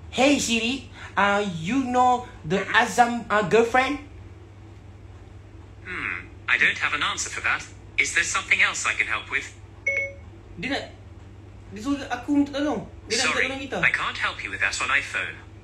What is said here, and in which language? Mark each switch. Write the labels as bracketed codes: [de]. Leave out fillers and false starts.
[en] Hey Siri, you know the Azzam girlfriend? I don't have an answer for that. Is there something else I can help with? [id] Dia suruh aku untuk tolong. [en] Sorry, I can't help you with that on iPhone.